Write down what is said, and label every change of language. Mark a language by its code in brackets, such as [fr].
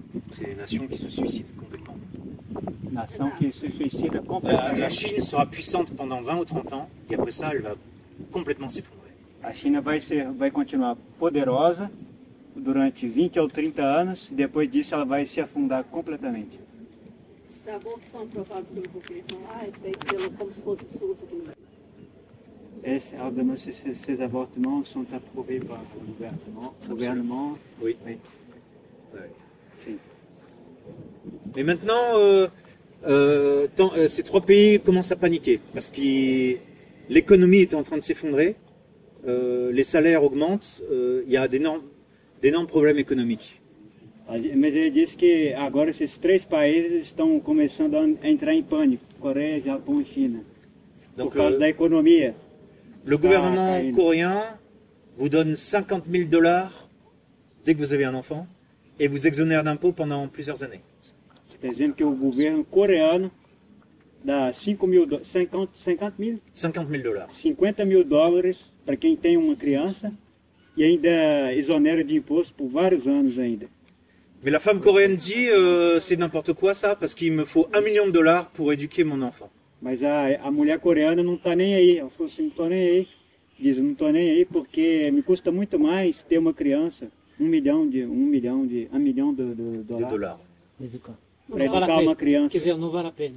[fr] C'est une nation qui se suicide complètement. [pt] Nação que se suicida completamente. [fr] La Chine sera puissante pendant 20 ou 30 ans, et après ça, elle va complètement s'effondrer. [pt] A China vai continuar poderosa durante 20 ou 30 anos e depois disso ela vai se afundar completamente. Os abortos são aprovados pelo governo? Ah, é feito pelo... como se fosse o SUS aqui no Brasil. Os abortos são aprovados pelo governo? Sim. [fr] Mas maintenant, ces trois pays commencent à paniquer parce que l'économie est en train de s'effondrer. Les salaires augmentent, il y a d'énormes problèmes économiques. Mais il dit que agora ces trois pays sont commençant à entrer en panique, Corée, Japon, Chine. Donc à cause de l'économie. Le gouvernement coréen vous donne 50 000 $ dès que vous avez un enfant et vous exonère d'impôts pendant plusieurs années. C'est-à-dire que le gouvernement coréen [pt] dá 50 mil dólares para quem tem uma criança e ainda isonera de imposto por vários anos ainda. Mas a [fr] femme [pt] coreana diz, [fr] c'est n'importe quoi ça, parce qu'il me faut 1 000 000 $ pour éduquer mon enfant. [pt] Mas a mulher coreana não está nem aí, ela falou assim, não estou nem aí. Diz, não estou nem aí porque me custa muito mais ter uma criança, um milhão de dólares. Para educar uma criança. Quer dizer, não vale a pena.